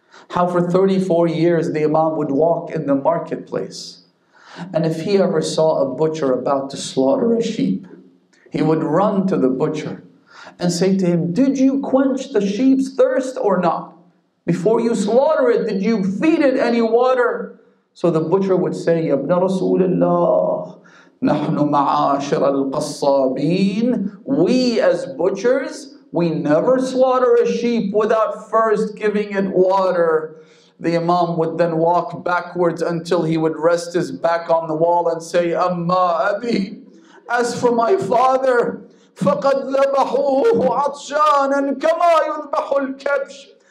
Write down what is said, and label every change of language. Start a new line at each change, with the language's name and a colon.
English: How for 34 years the Imam would walk in the marketplace, and if he ever saw a butcher about to slaughter a sheep, he would run to the butcher and say to him, did you quench the sheep's thirst or not? Before you slaughter it, did you feed it any water? So the butcher would say,
Arabic: يَا ابْنَ رَسُولِ اللَّهِ نَحْنُ مَعَاشِرَ الْقَصَّابِينَ.
English: We as butchers, we never slaughter a sheep without first giving it water. The Imam would then walk backwards until he would rest his back on the wall and say,
Arabic: أَمَّا أَبِي,
English: as for my father,
Arabic: فَقَدْ ذَبَحُوهُ عَطْشَانًا كَمَا يُذْبَحُ الْكَبْشِ.